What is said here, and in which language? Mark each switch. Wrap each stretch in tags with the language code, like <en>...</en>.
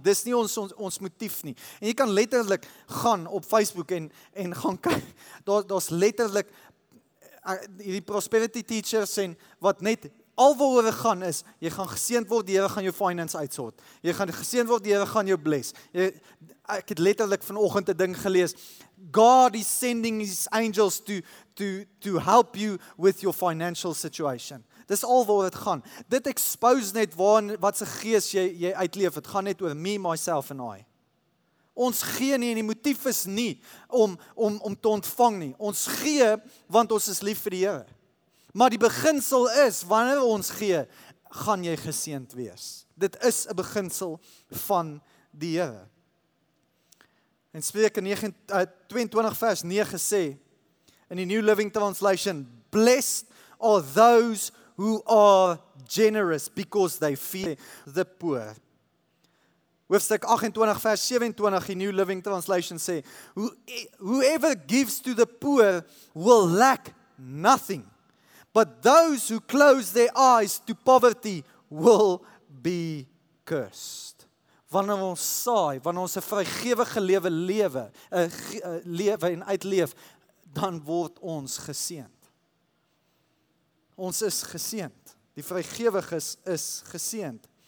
<af>Dis nie ons motief nie. En jy kan letterlik gaan op Facebook en gaan kyk. Daar's letterlik die prosperity teachers en wat net al wat oor gaan is, jy gaan geseend word, die Here gaan jou finance uitsort. Jy gaan geseend word, die Here gaan jou bless. Ek het letterlik vanoggend 'n ding gelees.</af> <en>God is sending his angels to help you with your financial situation.</en> <af>Dis al waar dit gaan. Dit expose net waar wat se gees jy uitleef. Dit gaan net oor me, myself en I. Ons gee nie en die motief is nie om te ontvang nie. Ons gee want ons is lief vir die Here. Maar die beginsel is, wanneer ons gee, gaan jy geseend wees. Dit is 'n beginsel van die Here. En Spreuke 22 vers 9 sê, in die New Living Translation,</af> <en>blessed are those who are generous because they feed the poor.</en> <af>Hoofstuk 28 vers 27 in New Living Translation sê,</af> <en>whoever gives to the poor will lack nothing, but those who close their eyes to poverty will be cursed.</en> <af>Wanneer ons saai, wanneer ons 'n vrygewige lewe en uitleef, dan word ons geseën. Ons is geseend. Die vrygewiges is geseend.</af>